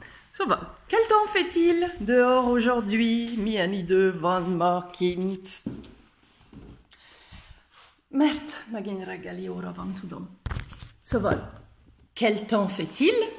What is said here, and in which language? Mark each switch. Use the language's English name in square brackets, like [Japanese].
[Hungarian] Szóval, [French] quel temps fait-il dehors aujourd'hui? [Hungarian] Milyen idő van ma kint? Mert megint reggeli óra van, tudom. Szóval, [French] quel temps fait-il?